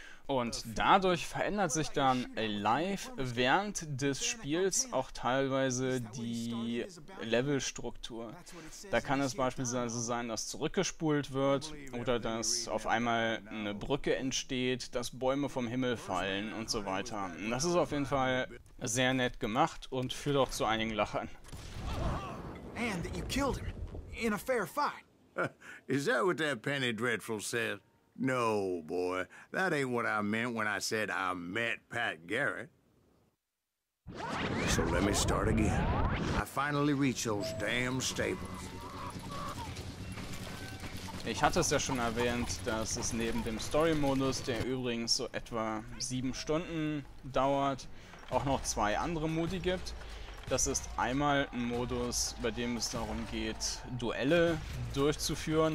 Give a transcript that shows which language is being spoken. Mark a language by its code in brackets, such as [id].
[de] Und dadurch verändert sich dann live während des Spiels auch teilweise die Levelstruktur. Da kann es beispielsweise sein, dass zurückgespult wird oder dass auf einmal eine Brücke entsteht, dass Bäume vom Himmel fallen und so weiter. Das ist auf jeden Fall sehr nett gemacht und führt auch zu einigen Lachern. [en] And that you killed him in a fair fight. Is that what that Penny Dreadful said? No, boy, that ain't what I meant when I said I met Pat Garrett. So let me start again. I finally reached those damn stables. [de] Ich hatte es ja schon erwähnt, dass es neben dem Story-Modus, der übrigens so etwa 7 Stunden dauert, auch noch 2 andere Modi gibt. Das ist einmal ein Modus, bei dem es darum geht, Duelle durchzuführen.